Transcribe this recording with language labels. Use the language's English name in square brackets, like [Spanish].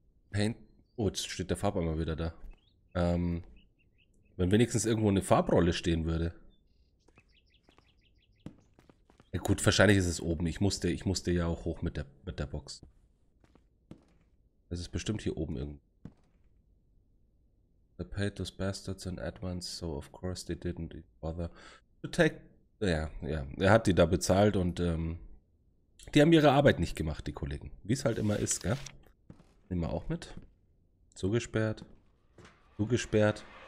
[German] Paint. Oh, jetzt steht der Farbeimer wieder da. Wenn wenigstens irgendwo eine Farbrolle stehen würde. Ja gut, wahrscheinlich ist es oben. Ich musste ja auch hoch mit der Box. Es ist bestimmt hier oben irgendwo. [English] They paid those bastards in advance, so of course they didn't bother to take... [German] Ja, ja, er hat die da bezahlt und die haben ihre Arbeit nicht gemacht, die Kollegen. Wie es halt immer ist, gell? Nehmen wir auch mit. Zugesperrt. Zugesperrt.